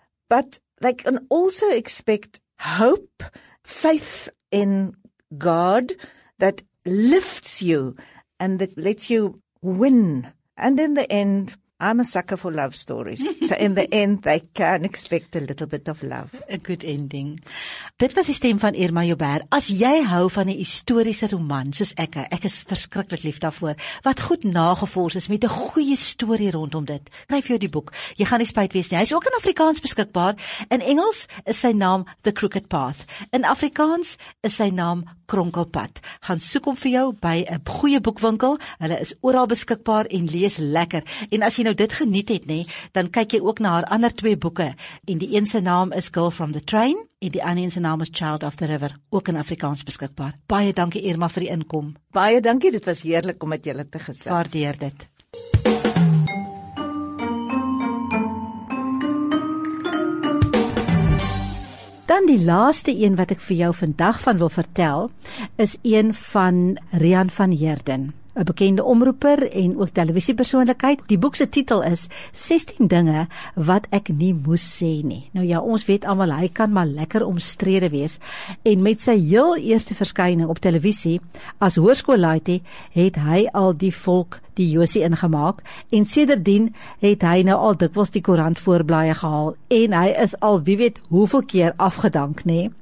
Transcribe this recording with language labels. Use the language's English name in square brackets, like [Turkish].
[English] But they can also expect hope, faith in God that lifts you and that lets you win. And in the end, I'm a sucker for love stories. So in the end, they can expect a little bit of love. A good ending. [Afrikaans] Dit was die stem van Irma Joubert. As jy hou van 'n historiese roman, soos ek is verskriklik lief daarvoor, wat goed nagevors is met 'n goeie storie rondom dit, kry vir jou die boek. Jy gaan nie spyt wees nie. Hy is ook in Afrikaans beskikbaar. In Engels is sy naam The Crooked Path. In Afrikaans is sy naam Kronkelpad. Gaan soek hom vir jou by 'n goeie boekwinkel. Hulle is oral beskikbaar en lees lekker. En as jy nou dit geniet het, nee, dan kyk jy ook na haar ander twee boeke. En die een se naam is Girl from the Train en die ander se naam is Child of the River, ook in Afrikaans beskikbaar. Baie dankie Irma vir die inkom. Baie dankie, dit was heerlik om met julle te gesels. Waardeer dit. Dan die laaste een wat ek vir jou vandag van wil vertel, is een van Rian van Heerden. 'N bekende omroeper en ook televisiepersoonlikheid. Die boek se titel is 16 dinge wat ek nie moes sê nie. Nou ja, ons weet almal hy kan maar lekker omstrede wees en met sy heel eerste verskyning op televisie as hoërskoolleiter het hy al die volk die Josie ingemaak en sedertdien het hy nou al dikwels die koerant voorblaaie gehaal en hy is al wie weet hoeveel keer afgedank, nee.